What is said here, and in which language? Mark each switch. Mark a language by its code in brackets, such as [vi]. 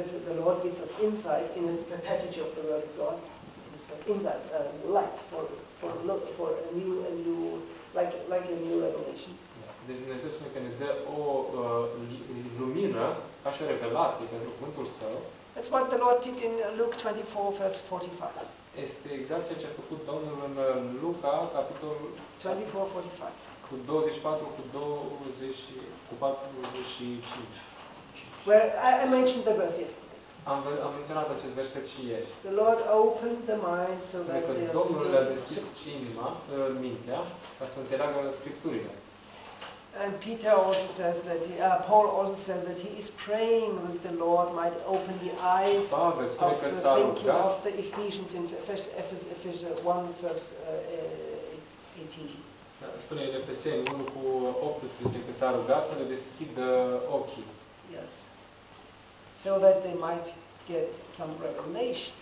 [en] The Lord gives us insight in the passage of the Word of God. Insight, light for a new like a new revelation. [ro] Deci Dumnezeu spune că ne dă o lumină ca și o revelație pentru cuvântul său. [en] That's what the Lord did in Luke 24, verse 45. [ro] Este exact ceea ce a făcut Domnul în Luca, capitolul 24:45. [en] Where I mentioned the verse yesterday. [ro] Am menționat acest verset și ieri. [en] The Lord opened the mind so that they are seeing. [ro] Domnul le-a deschis inima, mintea, ca să înțeleagă Scripturile. [en] And Peter also says that he, Paul also said that he is praying that the Lord might open the eyes of the thinking of the Ephesians in Ephesians 1:18. [ro] Spune Efeseni 1:18 că s-a rugat să le deschidă ochii. [en] Yes. So that they might get some revelation.